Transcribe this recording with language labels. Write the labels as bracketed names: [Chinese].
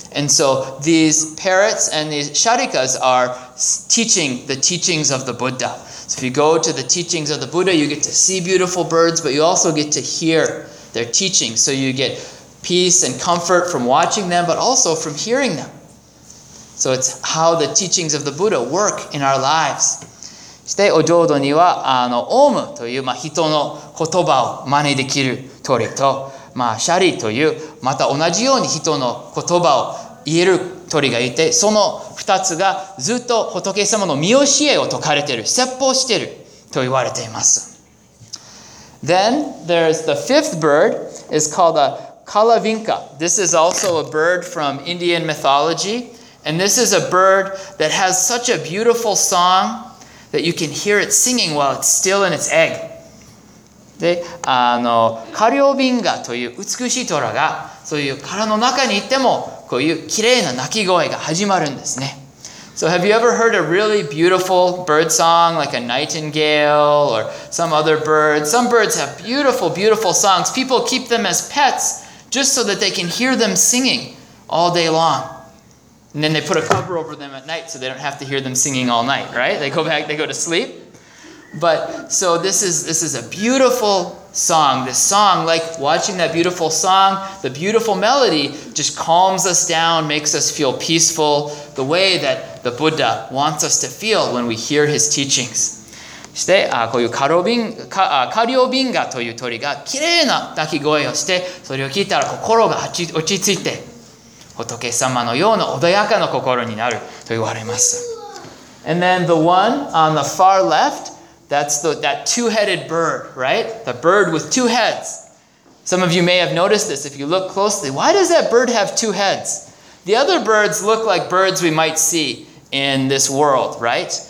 [English] And so these parrots and these sharikas are teaching the teachings of the Buddha. So if you go to the teachings of the Buddha, you get to see beautiful birds, but you also get to hear their teachings. So you get peace and comfort from watching them, but also from hearing them. So it's how the teachings of the Buddha work in our lives. [Japanese] してお浄土にはあのオウムという、まあ、人の言葉を真似できる鳥と、まあ、シャリというまた同じように人の言葉を言える鳥がいて、その二つがずっと仏様の御教えを説かれている、説法していると言われています。 [English] Then there's the fifth bird is called a Kalavinka. This is also a bird from Indian mythology. And this is a bird that has such a beautiful song that you can hear it singing while it's still in its egg. [Japanese] で、あの、カリオビンガという美しい虎が、そういう殻の中に行っても、こういう綺麗な鳴き声が始まるんですね。 [English] So have you ever heard a really beautiful bird song, like a nightingale or some other bird? Some birds have beautiful, beautiful songs. People keep them as pets just so that they can hear them singing all day long. And then they put a cover over them at night so they don't have to hear them singing all night, right? They go back, they go to sleep. But so this is a beautiful song. This song, like watching that beautiful song, the beautiful melody just calms us down, makes us feel peaceful the way that the Buddha wants us to feel when we hear his teachings. [Japanese] そして、こういうカリオビンガという鳥が綺麗な鳴き声をして、それを聞いたら心が落ち着いて、仏様のような穏やかな心になると言われます。 [English] And then the one on the far left, that's that two-headed bird, right? The bird with two heads. Some of you may have noticed this if you look closely. Why does that bird have two heads? The other birds look like birds we might see in this world, right?